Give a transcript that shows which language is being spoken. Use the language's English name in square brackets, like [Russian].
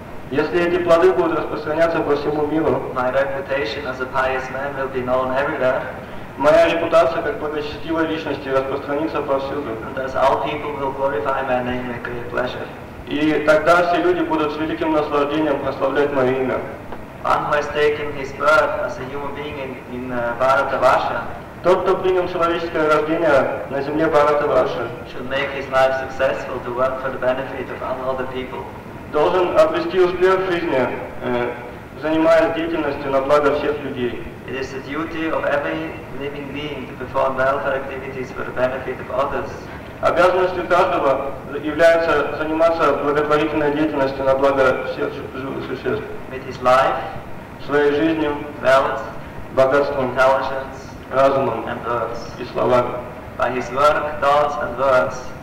[Russian] Если эти плоды будут распространяться по всему миру, моя репутация как благочестивой личности распространится повсюду. [English] And thus all people will glorify my name with great pleasure. [Russian] И тогда все люди будут с великим наслаждением прославлять мое имя. [English] One who has taken his birth as a human being in Bharatavarsha. [Russian] Тот, кто принял человеческое рождение на земле Бхаратаваша. [English] Should make his life successful to work for the benefit of all other people. [Russian] Должен обрести успех в жизни, занимаясь деятельностью на благо всех людей. [English] It is the duty of every living being to perform welfare activities for the benefit of others. [Russian] Обязанностью каждого является заниматься благотворительной деятельностью на благо всех живых существ. [English] With his life, [Russian] своей жизнью, [English] wealth, [Russian] богатством, [English] intelligence, [Russian] разумом [English] and words. [Russian] И словами. [English] By his work, thoughts and words.